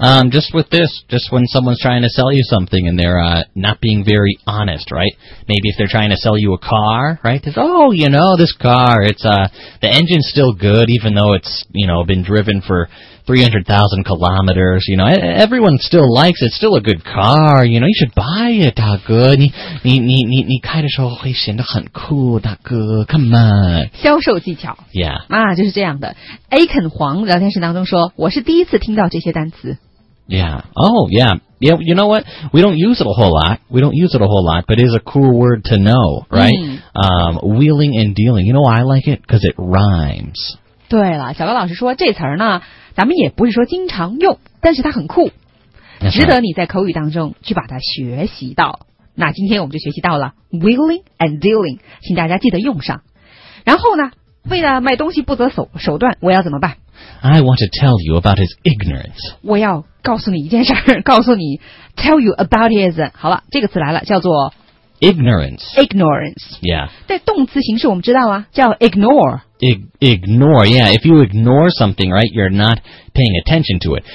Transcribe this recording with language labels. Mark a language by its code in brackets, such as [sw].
[en] Just with this, just when someone's trying to sell you something and they're not being very honest, right? Maybe if they're trying to sell you a car, right? Oh, you know, this car, it's, the engine's still good even though it's, you know, been driven for 300,000 kilometers. You know, everyone still likes it. It's still a good car. You know, you should buy it, 大哥. [zh] 你开的时候会显得很酷, 大哥. [en] Come on. [zh] 销售技巧. [en] Yeah. [zh] 就是这样的。Aiken Huang 聊天室当中说,我是第一次听到这些单词。 [en] Yeah. Oh, yeah. Yeah, you know what? We don't use it a whole lot. We don't use it a whole lot, but it is a cool word to know, right? Wheeling and dealing. You know why I like it? Because it rhymes. [zh] 对了,小高老师说这词呢,咱们也不是说经常用,但是它很酷。 [en] That's、 [zh] 值得你在口语当中去把它学习到。那今天我们就学习到了 [en] wheeling and dealing, [zh] 请大家记得用上。然后呢,为了卖东西不择手段,我要怎么办? [en] I want to tell you about his ignorance. [zh] 我要告诉你一件事儿，告诉你 ， [en] tell you about his。 [zh] 好了，这个词来了，叫做 [en] ignorance。 ignorance。 Yeah。 [zh] 在动词形式，我们知道啊，叫 ignore。 [en] ignore。 Yeah。 If you ignore something, right, you're not paying attention to it.